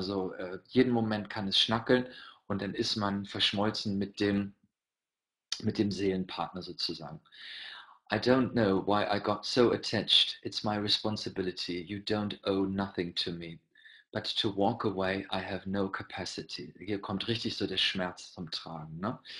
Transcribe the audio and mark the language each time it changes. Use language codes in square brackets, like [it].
[de] Also jeden Moment kann es schnackeln. Und dann ist man verschmolzen mit dem Seelenpartner sozusagen. [en] I don't know why I got so attached. It's my responsibility. You don't owe nothing to me. But to walk away, I have no capacity. [de] Hier kommt richtig so der Schmerz zum Tragen. Ne?